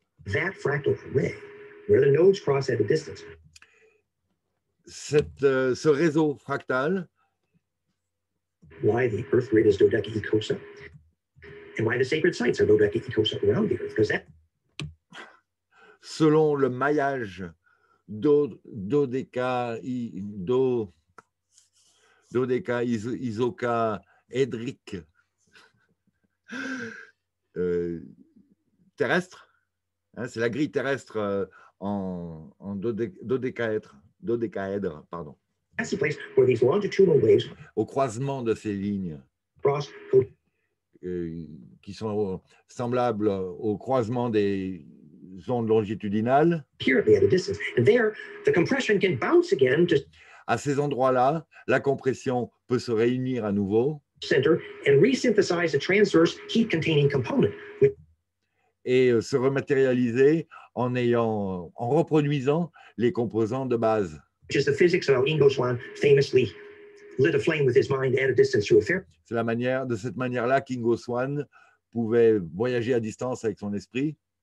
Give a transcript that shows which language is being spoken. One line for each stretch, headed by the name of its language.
English: That fractal array, where the nodes cross at a distance.
French: Ce réseau fractal.
English: Why the Earth grid is dodecahedral, and why the sacred sites are dodecahedral around the Earth? Because that.
French: Selon le maillage dodécaïsocaédrique terrestre, hein, c'est la grille terrestre en dodécaèdre, pardon.
English: That's the place where these longitudinal waves
French: au croisement de ces lignes
English: cross,
French: qui sont semblables au croisement des ondes longitudinales.
English: Purely at a distance. And there, the compression can bounce again.
French: À ces endroits-là, la compression peut se réunir à nouveau.
English: Center and resynthesize a transverse heat-containing component.
French: Et se rematérialiser en reproduisant les composants de base.
English: Which is the physics of how Ingo Swann famously lit a flame with his mind at a distance through a fair.
French: C'est la manière, de cette manière-là, qu'Ingo Swann pouvait voyager à distance avec son esprit.